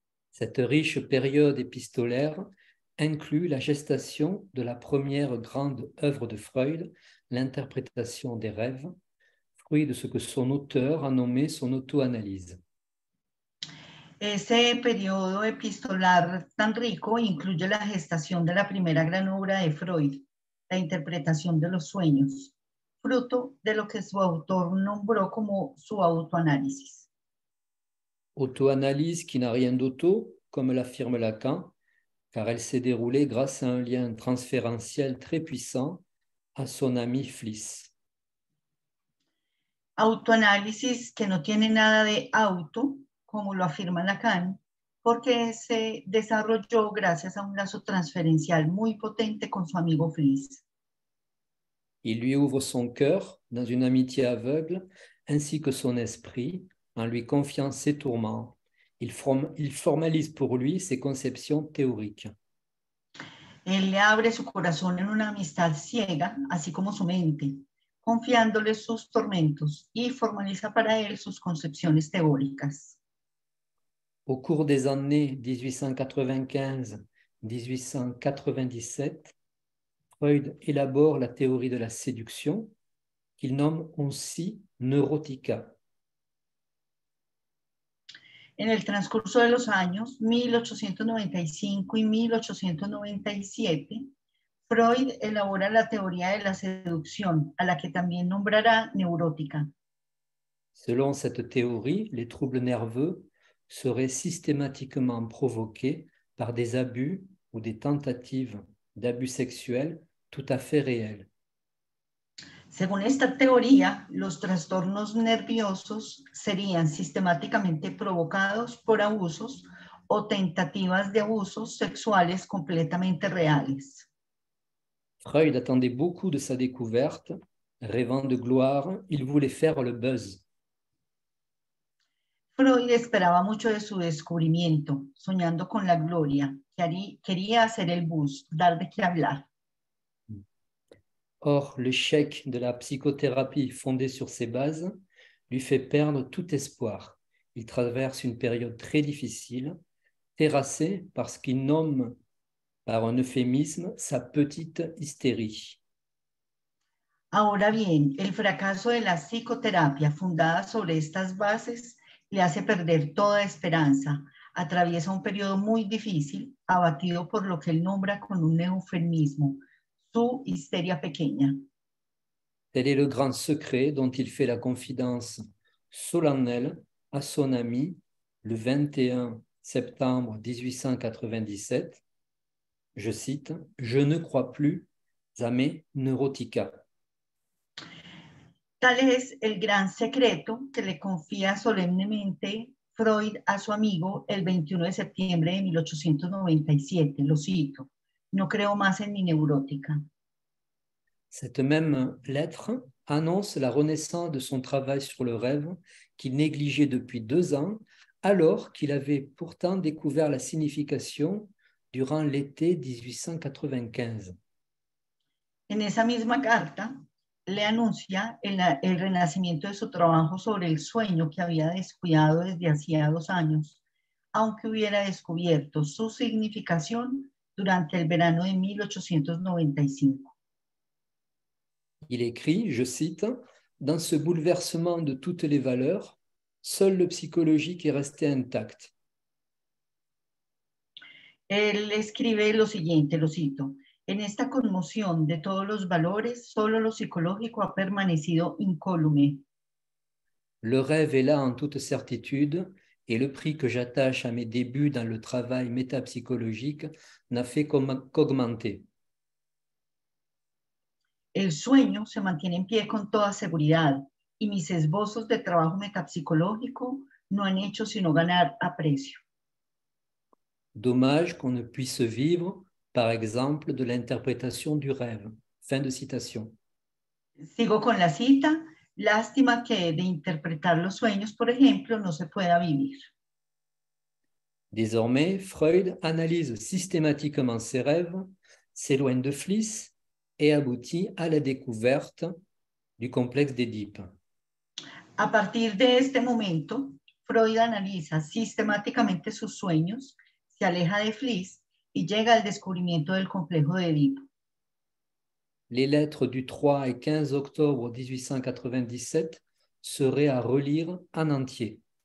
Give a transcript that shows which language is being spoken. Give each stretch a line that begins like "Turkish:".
French: Cette riche période épistolaire inclut la gestation de la première grande œuvre de Freud, l'interprétation des rêves, fruit de ce que son auteur a nommé son auto-analyse.
Spanish: Ese periodo epistolar tan rico incluye la gestación de la primera gran obra de Freud, la interpretación de los sueños, fruto de lo que su autor nombró como su autoanálisis.
French: Autoanalyse qui n'a rien d'auto, comme l'affirme Lacan, car elle s'est déroulée grâce à un lien transférentiel très puissant à son ami Fliess.
Spanish: Autoanálisis que no tiene nada de auto, como lo afirma Lacan, porque se desarrolló gracias a un lazo transferencial muy potente con su amigo Fliess.
French: Il lui ouvre son cœur dans une amitié aveugle, ainsi que son esprit, en lui confiant ses tourments. Il formalise pour lui ses conceptions théoriques.
Spanish: Él le abre su corazón en una amistad ciega, así como su mente, confiándole sus tormentos y formaliza para él sus concepciones teóricas.
French: Au cours des années 1895-1897, Freud élabore la théorie de la séduction, qu'il nomme aussi neurotica.
Spanish: En el transcurso de los años 1895 y 1897, Freud elabora la teoría de la seducción, a la que también nombrará neurótica.
French: Selon cette théorie, les troubles nerveux seraient systématiquement provoqués par des abus ou des tentatives d'abus sexuels tout à fait réels.
Spanish: Según esta teoría, los trastornos nerviosos serían sistemáticamente provocados por abusos o tentativas de abusos sexuales completamente reales.
French: Freud attendait beaucoup de sa découverte, rêvant de gloire, il voulait faire le buzz.
Spanish: Freud esperaba mucho de su descubrimiento, soñando con la gloria, quería hacer el buzz, dar de qué hablar.
French: Or, l'échec de la psychothérapie fondée sur ses bases lui fait perdre tout espoir. Il traverse une période très difficile, terrassée par ce qu'il nomme, par un euphémisme, sa petite hystérie.
Spanish: Ahora bien, el fracaso de la psicoterapia fundada sobre estas bases le hace perder toda esperanza. Atraviesa un periodo muy difícil, abatido por lo que él nombra con un eufemismo.
French: Tel est le grand secret dont il fait la confidence solennelle à son ami le 21 septembre 1897. Je cite, « Je ne crois plus à mes neurotica. »
Spanish: Tal es el gran secreto que le confía solemnemente Freud a su amigo el 21 de septiembre de 1897. Lo cito, « No creo más en mi neurotica. »
French: Cette même lettre annonce la renaissance de son travail sur le rêve qu'il négligeait depuis 2 ans, alors qu'il avait pourtant découvert la signification durant l'été 1895.
Spanish: En esa misma carta, le anuncia el renacimiento de su trabajo sobre el sueño que había descuidado desde hacía 2 años, aunque hubiera descubierto su significación durante el verano de 1895.
French: Il écrit, je cite, « Dans ce bouleversement de toutes les valeurs, seul le psychologique est resté intact. »
Spanish: Él escribe lo siguiente, lo cito, en esta conmoción de todos los valores, solo lo psicológico ha permanecido incólume.
French: Le rêve est là en toute certitude et le prix que j'attache à mes débuts dans le travail métapsychologique n'a fait qu'augmenter.
Spanish: El sueño se mantiene en pie con toda seguridad y mis esbozos de trabajo metapsicológico no han hecho sino ganar aprecio.
French: Dommage qu'on ne puisse vivre, par exemple, de l'interprétation du rêve. Fin de citation.
Spanish: Sigo con la cita. Lástima que de interpretar los sueños, por ejemplo, no se pueda vivir.
French: Désormais, Freud analyse systématiquement ses rêves, s'éloigne de Fliss et aboutit à la découverte du complexe d'Édipe.
Spanish: A partir de este momento, Freud analiza sistemáticamente sus sueños, se aleja de Fliss y llega al descubrimiento del complejo de Édipo.
French: Les lettres du 3 et 15 octobre 1897 seraient à relire en entier.